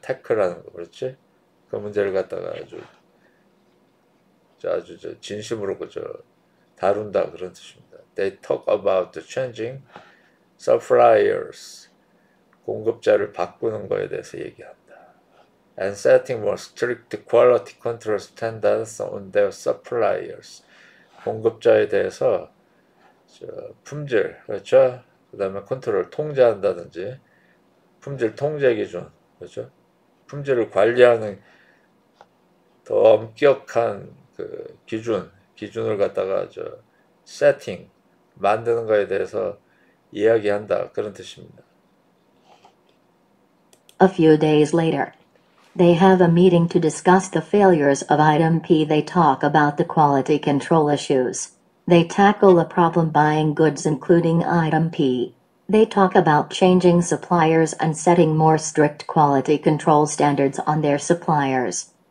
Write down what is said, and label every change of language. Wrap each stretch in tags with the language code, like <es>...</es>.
<ko>Tackle하는 거. 그렇지? 그 문제를 갖다가 아주 진심으로 그저 다룬다 그런 뜻입니다.</ko> <en>They talk about the changing suppliers.</en> <ko>공급자를 바꾸는 거에 대해서 얘기한다.</ko> <en>And setting more strict quality control standards on their suppliers.</en> <ko>공급자에 대해서 품질, 그렇죠? 그 다음에 컨트롤 통제한다든지 품질 통제 기준, 그렇죠? 품질을 관리하는 더 엄격한 그 기준을 갖다가 저 세팅 만드는 거에 대해서 이야기한다 그런 뜻입니다.</ko> <en>A few days later, they have a meeting to discuss the failures of item P. They talk about the quality control issues. They tackle a problem buying goods including item P. They talk about changing suppliers and setting more strict quality control standards on their suppliers.</en>